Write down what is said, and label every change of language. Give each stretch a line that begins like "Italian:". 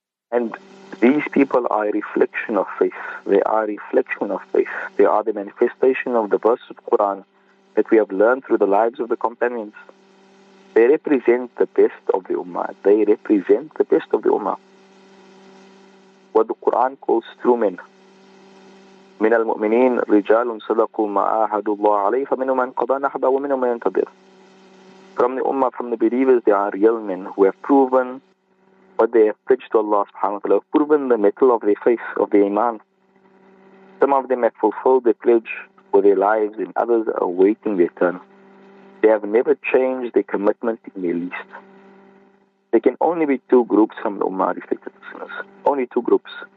English: And these people are a reflection of faith. They are a reflection of faith. They are the manifestation of the verses of Quran that we have learned through the lives of the companions. They represent the best of the Ummah. They represent the best of the Ummah. What the Quran calls true men.
Arabic: من المؤمنين رجال صدقوا ما أحد الله عليه فمنهم من قضى نحبه ومنهم من ينتظر.
English: From the Ummah, from the believers, they are real men who have proven what they have pledged to Allah subhanahu wa ta'ala, proven the metal of their faith, of their iman. Some of them have fulfilled their pledge for their lives, and others are waiting their turn. They have never changed their commitment in the least. There can only be two groups from the Ummah, respected listeners. Only two groups.